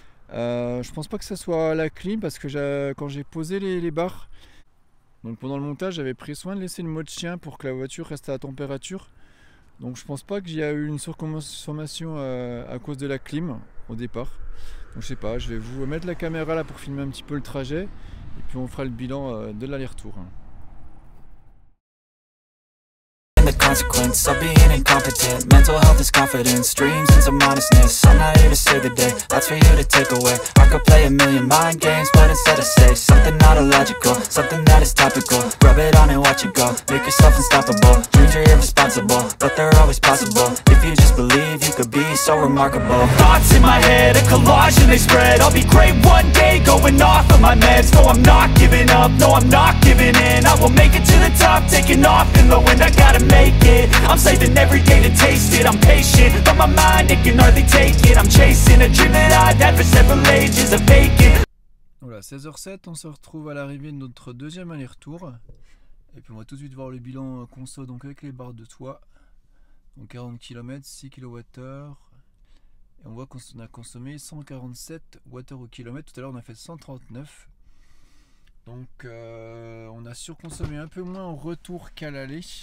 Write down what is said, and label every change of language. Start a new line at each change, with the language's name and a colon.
French: Je pense pas que ça soit la clim, parce que quand j'ai posé les barres, donc pendant le montage, j'avais pris soin de laisser le mode chien pour que la voiture reste à la température. Donc je pense pas qu'il y a eu une surconsommation à cause de la clim au départ. Donc je sais pas, je vais vous mettre la caméra là pour filmer un petit peu le trajet et puis on fera le bilan de l'aller-retour.
English: Consequence of being incompetent, mental health is confidence, dreams into modestness. I'm not here to save the day, that's for you to take away. I could play a million mind games, but instead I say something not illogical, something that is topical. Rub it on and watch it go, make yourself unstoppable. Dreams are irresponsible, but they're always possible. If you just believe, you could be so remarkable. Thoughts in my head, a collage and they spread. I'll be great one day, going off of my meds. No, I'm not giving up, no, I'm not giving in. I will make it to the top, taking off in the wind. I gotta make it. I'm saving every day to taste it. I'm patient, but my mind it can hardly take it. I'm chasing a dream that I've had for several ages of vacant.
French: Voilà, 16h07, on se retrouve à l'arrivée de notre deuxième aller-retour. Et puis on va tout de suite voir le bilan conso, donc avec les barres de toit. Donc 40 km, 6 kWh. Et on voit qu'on a consommé 147 Wh au kilomètre. Tout à l'heure on a fait 139. Donc on a surconsommé un peu moins en retour qu'à l'aller.